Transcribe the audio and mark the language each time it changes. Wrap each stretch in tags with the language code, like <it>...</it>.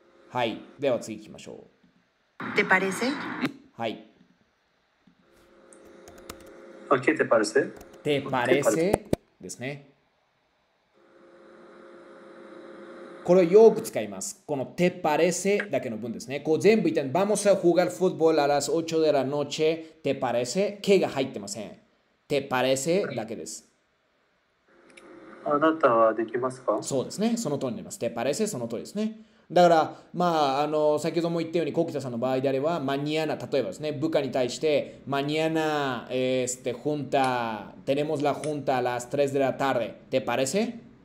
<ja>はい。では次行きましょう。てぱれせ？はい。あ、けてぱれせ？てぱれせ？ですね。これをよく使います。この te parece だけの文ですね。</ja> <es>こう全部言ったら、vamos a jugar fútbol a las 8 de la noche, te parece?</es> <ja>けが入ってません。 te parece だけです。あなたはできますか？そうですね。その通りになります。te parece? その通りですね。だから、まあ、先ほども言ったように、コキタさんの場合であれば、マニアナ、例えばですね、部下に対して、マニアナ、ジュンタ、テネモスラジュンタ、ラス3デラタレ、te parece?</ja>